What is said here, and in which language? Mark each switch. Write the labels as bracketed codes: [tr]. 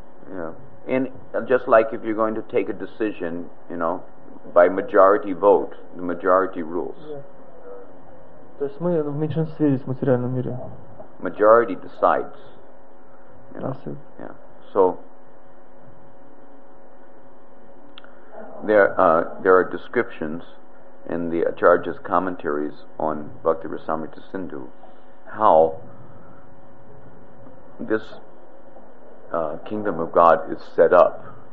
[en] Yeah. And just like if you're going to take a decision, you know, by majority vote, the majority rules. Yeah. [ru] То есть мы в меньшинстве здесь в материальном мире. [en] Majority decides. You know? Yeah. So there are descriptions in the Acharya's commentaries on Bhakti Rasamrita Sindhu how this kingdom of God is set up.